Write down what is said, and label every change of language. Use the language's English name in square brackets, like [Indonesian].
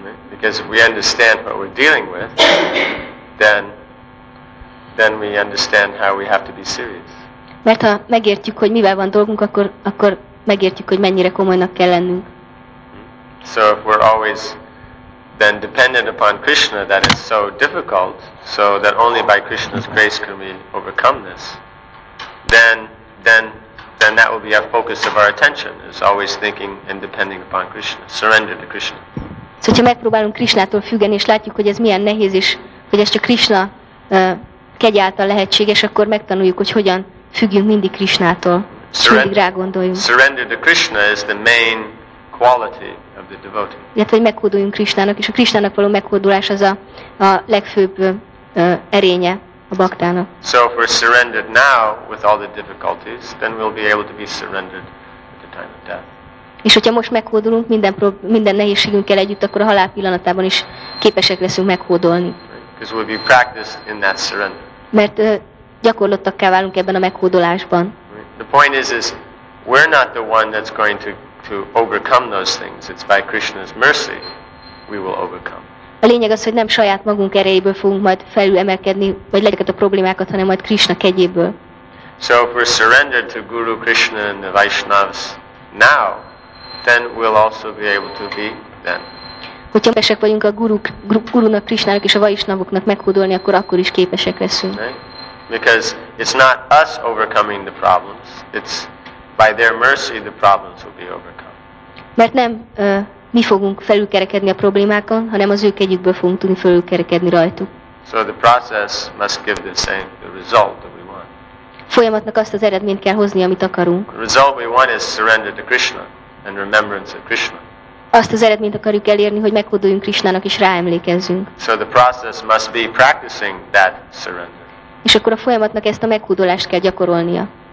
[English] Because if we understand what we're dealing with, then we understand how we have to be serious. [Hungarian] Mert ha megértjük, hogy mivel van dolgunk, akkor megértjük, hogy mennyire komolynak kell lennünk. [English] So if we're always then dependent upon Krishna, that is so difficult, so that only by Krishna's grace can we overcome this, then that will be our focus of our attention, is always thinking and depending upon Krishna, surrender to Krishna. [Hungarian] Szóval, ha megpróbálunk Krishnától függeni, és látjuk, hogy ez milyen nehéz, és hogy ez csak Krishna kegye által lehetséges, akkor megtanuljuk, hogy hogyan függjünk mindig Krishnától. Mindig rá gondoljunk. [English] Surrender to Krishna is the main quality of the devotee. [Hungarian] Illetve, hogy meghódoljunk Krishnának, és a Krishnának való meghódolás az a legfőbb erénye a baktának. [English] So if we're surrendered now with all the difficulties, then we'll be able to be surrendered at the time of death. [Hungarian] És hogyha most meghódolunk minden nehézségünkkel együtt, akkor a halál pillanatában is képesek leszünk meghódolni. [English] Because we'll be practiced in that surrender. [Hungarian] Mert gyakorlottakká válunk ebben a meghódolásban. [English] The point is we're not the one that's going to overcome those things. It's by Krishna's mercy we will overcome. [Hungarian] A lényeg az, hogy nem saját magunk erejéből fogunk majd felülemelkedni, vagy legyeket a problémákat, hanem majd Krishna kegyéből. [English] So if we're surrendered to Guru Krishna and the Vaishnavas now, then we'll also be able to be then. [Hungarian] Hogyha képesek vagyunk a gurunak, Krishnának és a Vaishnavoknak meghódolni, akkor is képesek leszünk. [English] Because it's not us overcoming the problems, it's by their mercy the problems will be overcome. [Hungarian] Mert nem mi fogunk felülkerekedni a problémákon, hanem az ő kegyükből fogunk tudni felülkerekedni rajtuk. [English] So the process must give the same the result that we want. [Hungarian] Folyamatnak azt az eredményt kell hozni, amit akarunk. [English] The result we want is surrender to Krishna and remembrance of Krishna. [Hungarian] Azt az eredményt akarjuk elérni, hogy meghódoljunk Krishnának és ráemlékezzünk. [English] So the process must be practicing that surrender. [Hungarian] És akkor a folyamatnak ezt a meghódolást kell gyakorolnia.